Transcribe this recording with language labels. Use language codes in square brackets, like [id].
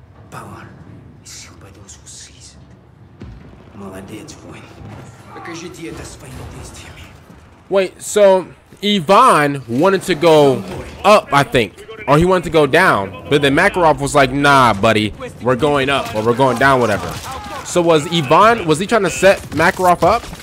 [en] Power is held by those who seize it. [ru] Молодец, воин. Покажите это своими действиями. [en] Wait, so Yvonne wanted to go up, I think, or he wanted to go down, but then Makarov was like, nah, buddy, we're going up or we're going down, whatever. So was he trying to set Makarov up?